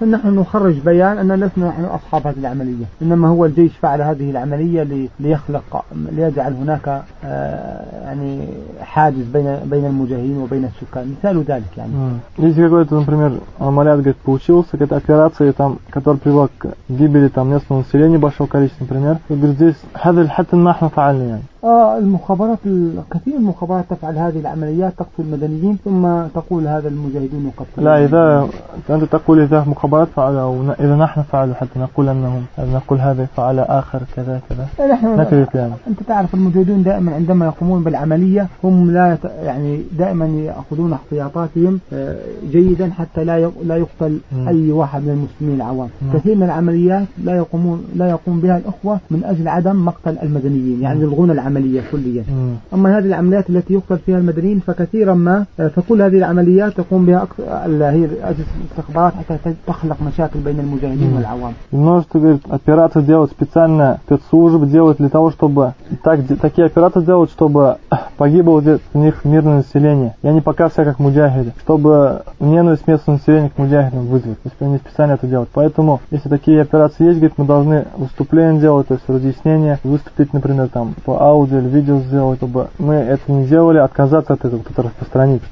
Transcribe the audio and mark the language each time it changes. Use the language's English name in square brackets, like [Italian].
[Arabic] نخرج بيان أننا لسنا نحن أصحاب هذه العملية، إنما هو الجيش فعل هذه العملية ليخلق ليجعل هناك يعني حاجز بين المجاهدين وبين السكان. مثال ذلك يعني. [Russian] Если какой-то, например, амалят говорит получился, какая-то операция там, которая привела к гибели там местного населения большого количества, например, говорит здесь [Arabic] هذا الحتى ما احنا فعلنا يعني. المخابرات الكثير من المخابرات تفعل هذه العمليات تقتل المدنيين ثم تقول هذا المجاهدين قتلوا. لا إذا أنت تقول إذا مخابرات فعل أو إذا نحن فعلوا حتى نقول أنهم نقول هذا فعل آخر كذا كذا. نحن أنت تعرف المجاهدون دائما عندما يقومون بالعملية هم لا يعني دائما يأخذون احتياطاتهم جيدا حتى لا يقتل أي واحد من المسلمين العوام. كثير من العمليات لا يقوم بها الأخوة من أجل عدم مقتل المدنيين يعني يلغون العمليات. العملية كليا. أما هذه العمليات التي يقتل فيها المدنيين فكثيرا ما فكل هذه العمليات تقوم بها هي الاستخبارات حتى تخلق مشاكل بين المجاهدين والعوام. [Russian] Множество говорит, операции делают специально спецслужбы делают для того, чтобы такие операции делают, чтобы погибло в них мирное население. И они пока все как муджахиды, чтобы ненависть местного населения к муджахидам вызвать. То есть они специально это делают. Поэтому, если такие операции есть, говорит, мы должны выступление делать, то есть разъяснение, выступить, например, там по аудио или видео сделать, чтобы мы это не делали, отказаться от этого, это распространить.